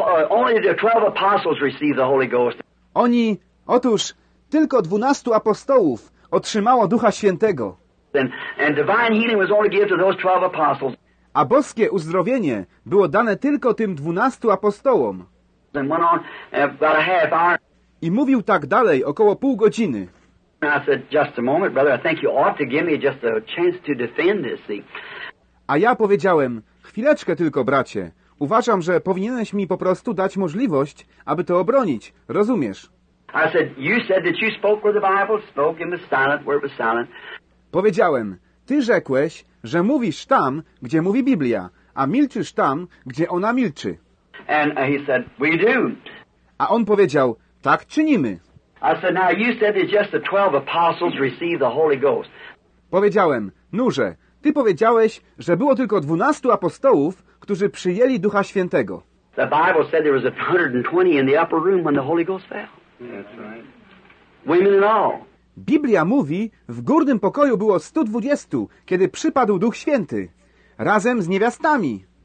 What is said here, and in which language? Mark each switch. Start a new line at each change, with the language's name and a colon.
English: Only the 12 apostles received the Holy Ghost.
Polish: Oni, otóż, tylko 12 apostołów otrzymało Ducha Świętego.
English: And divine healing was only given to those 12 apostles.
Polish: A boskie uzdrowienie było dane tylko tym 12 apostołom.
English: And went on about a half hour.
Polish: I mówił tak dalej około pół godziny.
English: And I said, just a moment, brother. I think you ought to give me just a chance to defend this. See?
Polish: A ja powiedziałem, chwileczkę tylko, bracie. Uważam, że powinieneś mi po prostu dać możliwość, aby to obronić. Rozumiesz?
English: I said, you said that you spoke where the Bible spoke in the silent where it was silent.
Polish: Powiedziałem, ty rzekłeś, że mówisz tam, gdzie mówi Biblia, a milczysz tam, gdzie ona milczy.
English: And he said, we do.
Polish: A on powiedział, tak czynimy.
English: I said, now you said that just the 12 apostles received the Holy Ghost.
Polish: Powiedziałem, nurze, ty powiedziałeś, że było tylko 12 apostołów, którzy przyjęli Ducha Świętego.
English: The Bible said there was 120 in the upper room when the Holy Ghost fell. That's right. Women and all.
Polish: Biblia mówi, w górnym pokoju było 120, kiedy przypadł Duch Święty, razem z niewiastami.